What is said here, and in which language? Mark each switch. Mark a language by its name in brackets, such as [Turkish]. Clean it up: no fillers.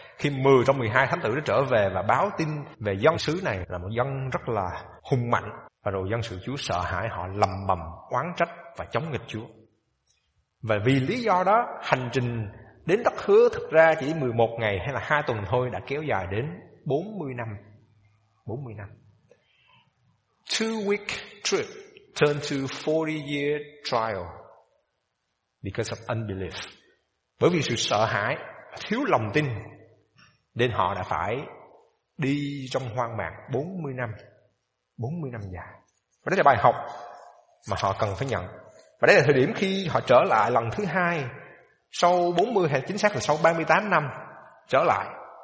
[Vietnamese] Khi 10 trong 12 thám tử đã trở về và báo tin về dân sứ này là một dân rất là hùng mạnh. Và rồi dân sự Chúa sợ hãi, họ lầm bầm, oán trách và chống nghịch Chúa. Và vì lý do đó, hành trình đến đất hứa thực ra chỉ 11 ngày hay là 2 tuần thôi, đã kéo dài đến 40 năm. 40 năm. [English] 2-week trip turned to 40-year trial because of unbelief. [Vietnamese] Bởi vì sự sợ hãi, thiếu lòng tin, nên họ đã phải đi trong hoang mạc 40 năm. 40 năm dài. Và đây là bài học mà họ cần phải nhận. Và đây là thời điểm khi họ trở lại lần thứ hai, sau 40, hay chính xác là sau 38 năm trở lại.